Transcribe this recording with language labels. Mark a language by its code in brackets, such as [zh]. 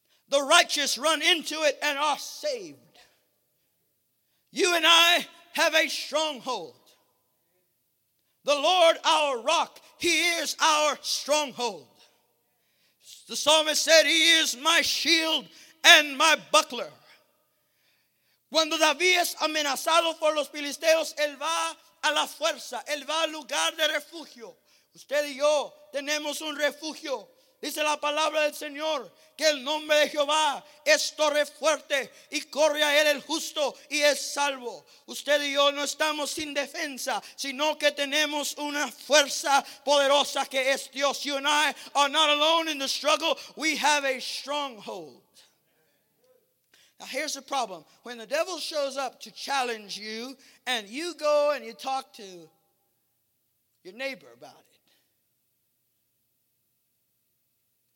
[en] The righteous run into it and are saved. You and I have a stronghold. The Lord, our rock, He is our stronghold. The psalmist said, He is my shield and my buckler. [es] Cuando David es amenazado por los filisteos, él va a la fuerza, él va al lugar de refugio. Usted y yo tenemos un refugio. Dice la palabra del Señor que el nombre de Jehová es torre fuerte y corre a él el justo y es salvo. Usted y yo no estamos sin defensa, sino que tenemos una fuerza poderosa que es Dios. [en] You and I are not alone in the struggle. We have a stronghold. Now here's the problem. When the devil shows up to challenge you and you go and you talk to your neighbor about it.